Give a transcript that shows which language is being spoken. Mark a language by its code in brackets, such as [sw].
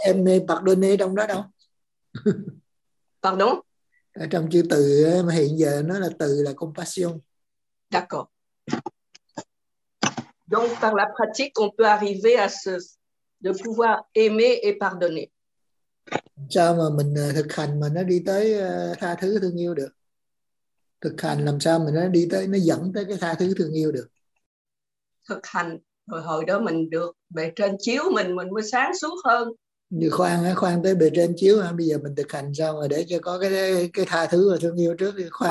[fr] aimer pardonner [vi] trong đó đâu. [fr] Pardon? [vi] Ở trong chữ từ mà hiện giờ nó là từ là compassion. [fr] D'accord. Donc, par la pratique, on peut arriver à de pouvoir aimer et pardonner. [vi] Sao mà mình thực hành mà nó đi tới tha thứ thương yêu được? Thực hành làm sao mà nó đi tới, nó dẫn tới cái tha thứ thương yêu được? Thực hành rồi hồi đó mình được bề trên chiếu mình mới sáng suốt hơn. Như khoan khoan tới bề trên chiếu ha, bây giờ mình thực hành sao mà để cho có cái tha thứ và thương yêu trước thì khoan.